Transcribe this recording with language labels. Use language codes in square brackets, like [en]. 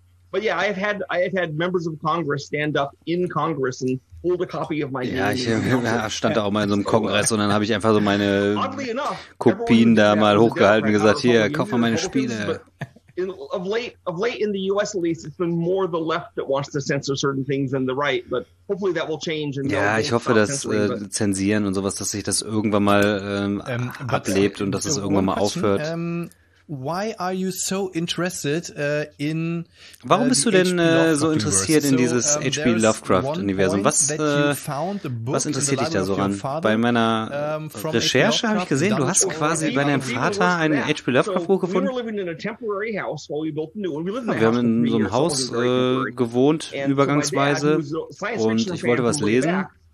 [en] But yeah, I've had members of Congress stand up in Congress and hold a copy of my game. [de] Ja, ich stand da auch mal in so einem Kongress und dann habe ich einfach so meine Kopien da mal hochgehalten und gesagt, hier, kauf mal meine Spiele. [en] Of late in the US at least, it's been more the left that wants to censor certain things than the right, but hopefully that will change. [de] Ja, ich hoffe, dass Zensieren und sowas, dass sich das irgendwann mal ablebt und dass es irgendwann mal aufhört. [en] Why are you so interested in [de] warum bist du denn so interessiert in dieses H.P. Lovecraft Universum? Was interessiert dich da so ran? Bei meiner Recherche habe ich gesehen, du hast quasi bei deinem Vater ein H.P. Lovecraft Buch gefunden. Wir haben in so einem Haus gewohnt übergangsweise und ich wollte was lesen.